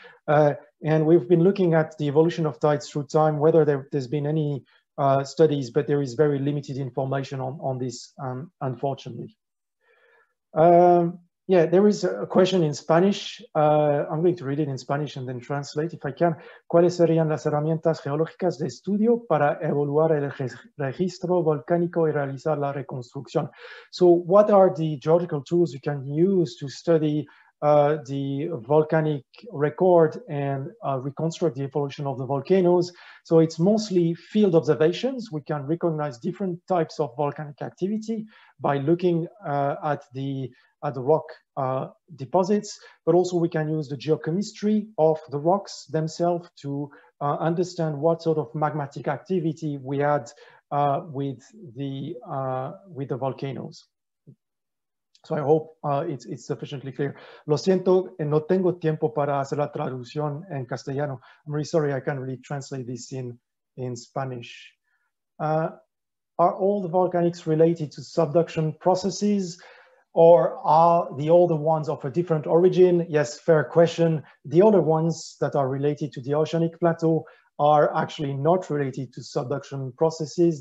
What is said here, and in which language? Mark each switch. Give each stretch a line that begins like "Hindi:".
English: And we've been looking at the evolution of tides through time, whether there's been any studies, but there is very limited information on this, unfortunately. Yeah, there is a question in Spanish. I'm going to read it in Spanish and then translate if I can.
Spanish: ¿Cuáles serían las herramientas geológicas de estudio para evaluar el registro volcánico y realizar la reconstrucción?
English: So what are the geological tools you can use to study the volcanic record and reconstruct the evolution of the volcanoes? So it's mostly field observations. We can recognize different types of volcanic activity by looking at the rock deposits, but also we can use the geochemistry of the rocks themselves to understand what sort of magmatic activity we had with the volcanoes. So I hope it's sufficiently clear.
Spanish: Lo siento, no tengo tiempo para hacer la traducción en castellano.
English: I'm really sorry, I can't really translate this in Spanish. Are all the volcanics related to subduction processes, or are the older ones of a different origin? Yes, fair question. The older ones that are related to the oceanic plateau are actually not related to subduction processes.